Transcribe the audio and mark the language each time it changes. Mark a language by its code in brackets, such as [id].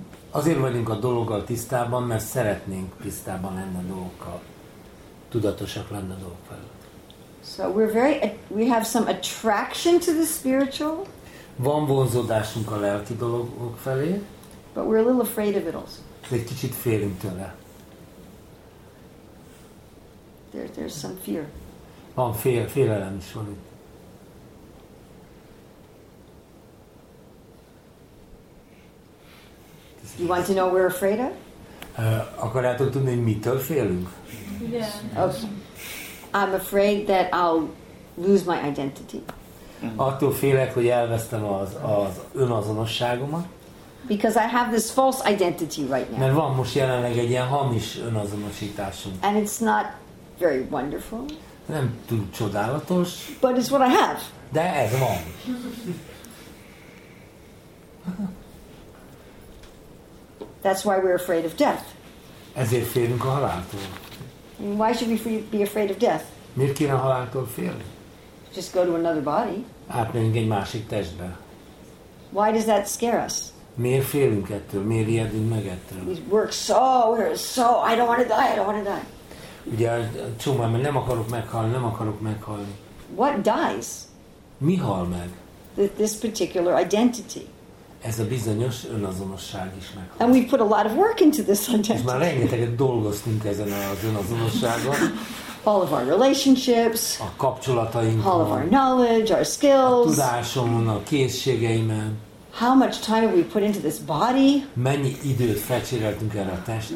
[hu] Azért vagyunk a dologgal tisztában, mert szeretnénk tisztában lenni a dolgokkal, tudatosak lenni a dolgok felett. [en] So we have some attraction to the spiritual. [hu] Van vonzódásunk a lelki dologok felé. [en] But we're a little afraid of it also. [hu] Egy kicsit félünk tőle. [en] There's some fear. [hu] Van félelem is van itt. [en] You want to know what we're afraid of? [hu] Akarjátok tudni, hogy mitől félünk? [en] Yeah. Okay. I'm afraid that I'll lose my identity. [hu] Attól félek, hogy elvesztem az önazonosságomat. [en] Because I have this false identity right now. [hu] Mert van most jelenleg egy ilyen hamis önazonosításom. [en] And it's not very wonderful. [hu] Nem túl csodálatos. [en] But it's what I have. [hu] De ez van. [en] That's why we're afraid of death. [hu] Ezért félünk a haláltól. [en] Why should we be afraid of death? [hu] Miért kéne a haláltól félni? [en] Just go to another body. [hu] Átmenjünk egy másik testbe. [en] Why does that scare us? [hu] Miért félünk ettől? Miért riadunk meg ettől? [en] We work so hard, so I don't want to die. I don't want to die. [hu] Ugye csomó, mert nem akarok meghalni, nem akarok meghalni. [en] What dies? [hu] Mi hal meg? [en] This particular identity. [hu] Ez a bizonyos önazonosság is meghal. [en] And we put a lot of work into this identity. [hu] És már rengeteget dolgoztunk ezen az önazonosságon. [en] All of our relationships. [hu] A kapcsolataink. [en] All of our knowledge, our skills. [hu] A tudásomon, a készségeimen. [en] How much time have we put into this body? [hu] Mennyi időt fecséreltünk erre a testre?